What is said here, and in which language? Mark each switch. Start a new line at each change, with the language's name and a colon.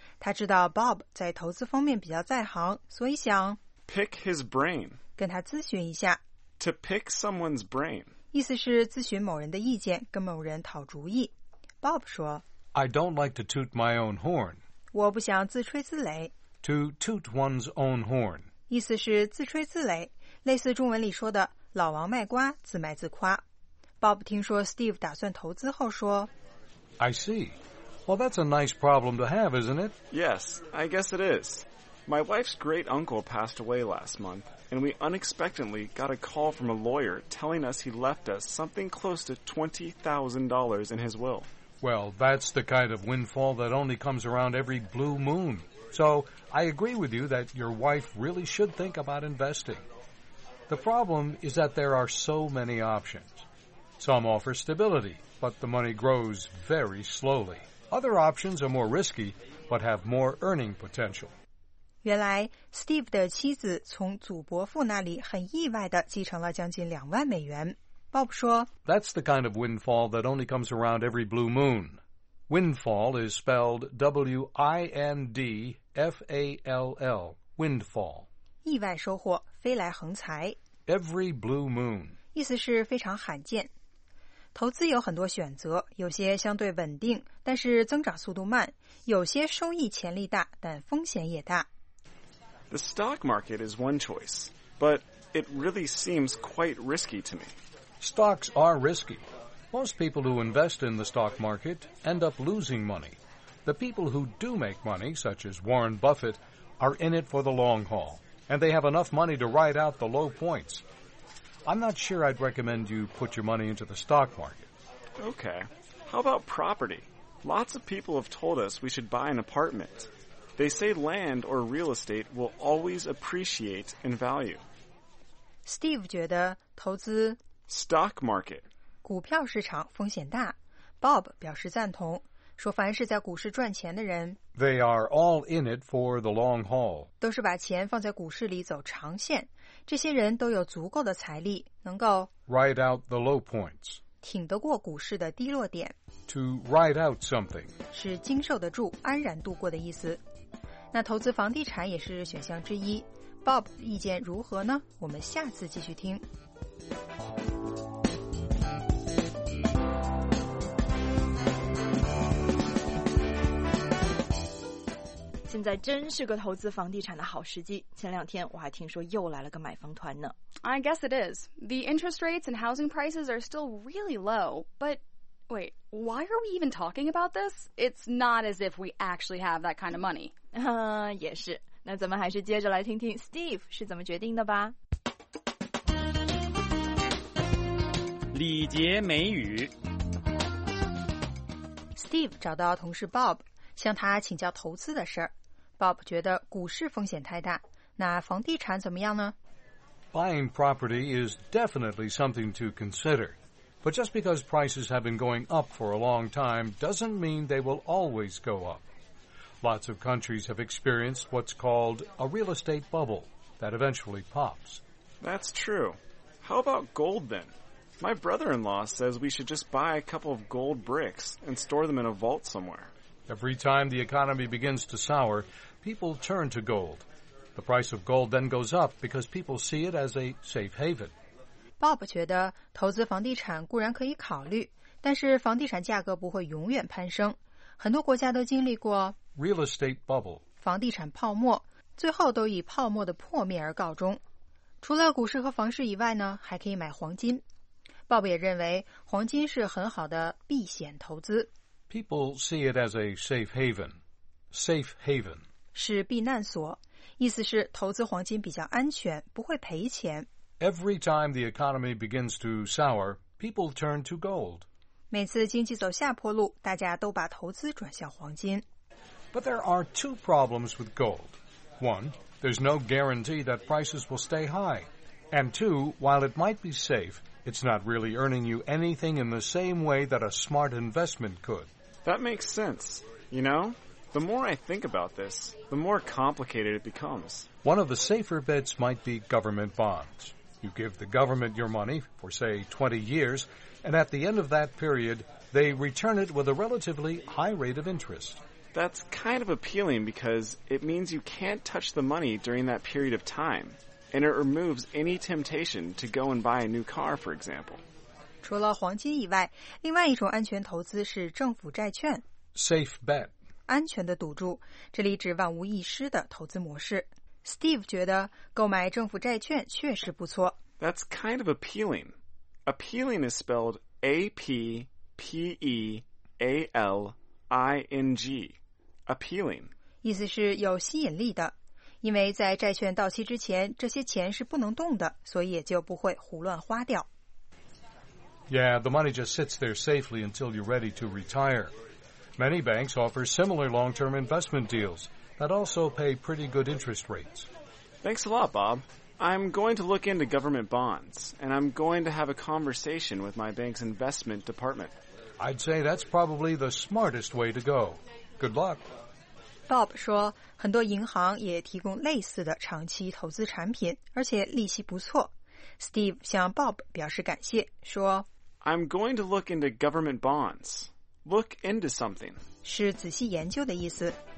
Chinese: 他知道 Bob 在投资方面比较在行，所以想
English: pick his brain，
Chinese: 跟他咨询一下。
English: To pick someone's brain，
Chinese: 意思是咨询某人的意见，跟某人讨主意。 Bob 说
English: ：“I don't like to toot my own horn。”
Chinese: 我不想自吹自擂。
English: To toot one's own horn，
Chinese: 意思是自吹自擂，类似中文里说的“老王卖瓜，自卖自夸”。 Bob 听说 Steve 打算投资后说
English: I see. Well, that's a nice problem to have, isn't it? Yes, I guess it is. My wife's great uncle passed away last month, and we unexpectedly got a call from a lawyer telling us he left us something close to $20,000 in his will. Well, that's the kind of windfall that only comes around every blue moon. So, I agree with you that your wife really should think about investing. The problem is that there are so many options. Some offer stability, but the money grows very slowly. Other options are more risky, but have more earning potential.
Chinese: 原来 Steve 的妻子从祖伯父那里很意外地继承了将近两万美元。 Bob 说
English: That's the kind of windfall that only comes around every blue moon. Windfall is spelled W-I-N-D-F-A-L-L, windfall.
Chinese: 意外收获，飞来横财。
English: Every blue moon.
Chinese: 意思是非常罕见。投资有很多选择，有些相对稳定，但是增长速度慢；有些收益潜力大，但风险也大。
English: The stock market is one choice, but it really seems quite risky to me. Stocks are risky. Most people who invest in the stock market end up losing money. The people who do make money, such as Warren Buffett, are in it for the long haul, and they have enough money to ride out the low points. I'm not sure I'd recommend you put your money into the stock market. Okay. How about property? Lots of people have told us we should buy an apartment. They say land or real estate will always appreciate in value.
Chinese: Steve 觉得投资
English: stock market
Chinese: 股票市场风险大。 Bob 表示赞同，说凡是在股市赚钱的人
English: they are all in it for the long haul.
Chinese: 都是把钱放在股市里走长线。这些人都有足够的财力，能够
English: ride out the low points，
Chinese: 挺得过股市的低落点。
English: To ride out something
Chinese: 是经受得住、安然度过的意思。那投资房地产也是选项之一。 Bob 意见如何呢？我们下次继续听。现在真是个投资房地产的好时机。前两天我还听说又来了个买房团呢。
English: I guess it is. The interest rates and housing prices are still really low, but Wait, why are we even talking about this? It's not as if we actually have that kind of money.
Chinese: 也是。那咱们还是接着来听听 Steve 是怎么决定的吧。礼节美语。 Steve 找到同事 Bob， 向他请教投资的事儿。 Bob 觉得股市风险太大，那房地产怎么样呢？
English: Buying property is definitely something to consider. But just because prices have been going up for a long time doesn't mean they will always go up. Lots of countries have experienced what's called a real estate bubble that eventually pops. That's true. How about gold then? My brother-in-law says we should just buy a couple of gold bricks and store them in a vault somewhere. Every time the economy begins to sour, people turn to gold. The price of gold then goes up because people see it as a safe haven.
Chinese: Bob 觉得投资房地产固然可以考虑，但是房地产价格不会永远攀升。很多国家都经历过
English: real estate bubble
Chinese: 房地产泡沫，最后都以泡沫的破灭而告终。除了股市和房市以外呢，还可以买黄金。Bob 也认为黄金是很好的避险投资。
English: People see it as a safe haven. Safe haven
Chinese: 是避难所。意思是投资黄金比较安全，不会赔钱。
English: Every time the economy begins to sour, people turn to gold.
Chinese: 每次经济走下坡路，大家都把投资转向黄金。
English: But there are two problems with gold. One, there's no guarantee that prices will stay high. And two, while it might be safe, it's not really earning you anything in the same way that a smart investment could. That makes sense, you know? The more I think about this, the more complicated it becomes. One of the safer bets might be government bonds. You give the government your money for, say, 20 years, and at the end of that period, they return it with a relatively high rate of interest. That's kind of appealing because it means you can't touch the money during that period of time, and it removes any temptation to go and buy a new car, for example.
Chinese: 除了黄金以外，另外一种安全投资是政府债券。
English: Safe bet.
Chinese: 安全的赌注，这里指万无一失的投资模式。 Steve 觉得购买政府债券确实不错。
English: That's kind of appealing. Appealing is spelled A-P-P-E-A-L-I-N-G. Appealing.
Chinese: 意思是有吸引力的，因为在债券到期之前，这些钱是不能动的，所以也就不会胡乱花掉。
English: Yeah, the money just sits there safely until you're ready to retire. Many banks offer similar long-term investment deals that also pay pretty good interest rates. Thanks a lot, Bob. I'm going to look into government bonds, and I'm going to have a conversation with my bank's investment department. I'd say that's probably the smartest way to go. Good luck.
Chinese: Bob 说，很多银行也提供类似的长期投资产品，而且利息不错。 Steve 向 Bob 表示感谢，说
English: I'm going to look into government bonds. Look into something.
Chinese: 是仔细研究的意思。